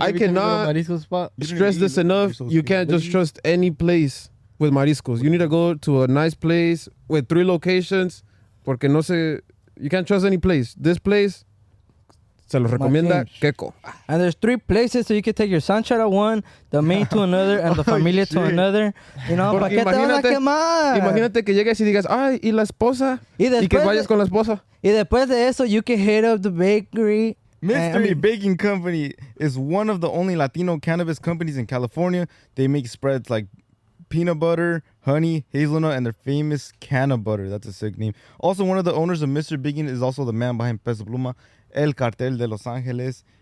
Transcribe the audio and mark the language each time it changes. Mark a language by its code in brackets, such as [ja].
[en] I cannot stress this enough. You can't just trust any place. With mariscos. You need to go to a nice place with three locations. [es] Porque no sé... [en] You can't trust any place. This place, [es] se lo recomienda Keiko. [en] And there's three places, so you can take your sancha to one, the main to another, and the familia to another. You know, [es] ¿para qué te van a quemar? Imagínate que llegues y digas, ay, ¿y la esposa? Y que vayas con la esposa. Y después de eso, [en] you can hit up the bakery. Mystery Baking Company is one of the only Latino cannabis companies in California. They make spreads like... peanut butter, honey, hazelnut, and their famous canna butter. That's a sick name. Also, one of the owners of Mr. Bacon is also the man behind Peso Pluma, El Cartel de Los Angeles.